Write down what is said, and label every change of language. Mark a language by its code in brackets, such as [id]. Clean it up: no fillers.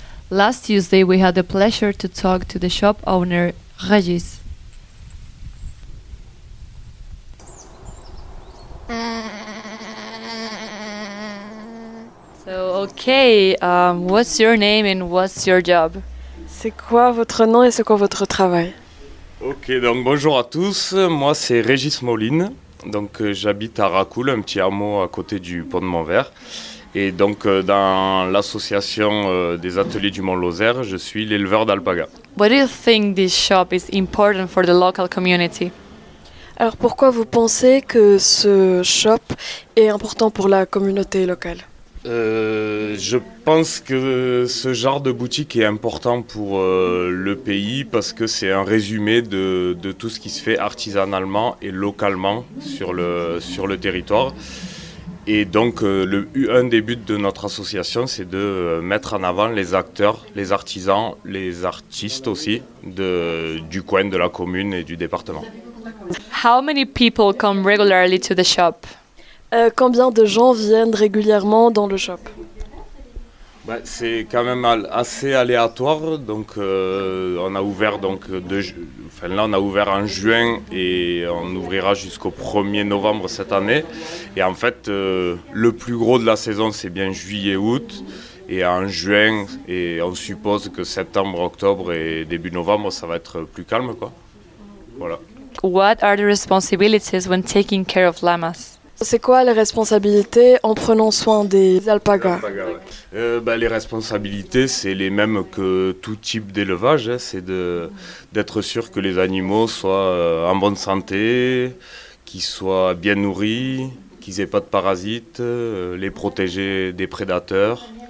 [en] Last Tuesday we had the pleasure to talk to the shop owner, Regis. So okay, what's your name and what's your job? [fr] C'est quoi votre nom et c'est quoi votre travail? Ok, donc bonjour à tous, moi c'est Régis Moline, donc j'habite à Racoul, un petit hameau à côté du pont de Montvert, et donc dans l'association des ateliers du Mont-Lozère, je suis l'éleveur d'alpaga. [en] What do you think this shop is important for the local community? [fr] Alors pourquoi vous pensez que ce shop est important pour la communauté locale? Je pense que ce genre de boutique est important pour le pays parce que c'est un résumé de tout ce qui se fait artisanalement et localement sur le territoire. Et donc un des buts de notre association, c'est de mettre en avant les acteurs, les artisans, les artistes aussi du coin, de la commune et du département. [en] How many people come regularly to the shop? [fr] Combien de gens viennent régulièrement dans le shop? Bah, c'est quand même assez aléatoire. Donc, on a ouvert en juin et on ouvrira jusqu'au 1er novembre cette année. Et en fait, le plus gros de la saison, c'est bien juillet-août. Et en juin, et on suppose que septembre-octobre et début novembre, ça va être plus calme, quoi. Voilà. [en] What are the responsibilities when taking care of llamas? [fr] C'est quoi les responsabilités en prenant soin des alpagas? Les responsabilités, c'est les mêmes que tout type d'élevage. Hein, c'est d'être sûr que les animaux soient en bonne santé, qu'ils soient bien nourris, qu'ils aient pas de parasites, les protéger des prédateurs.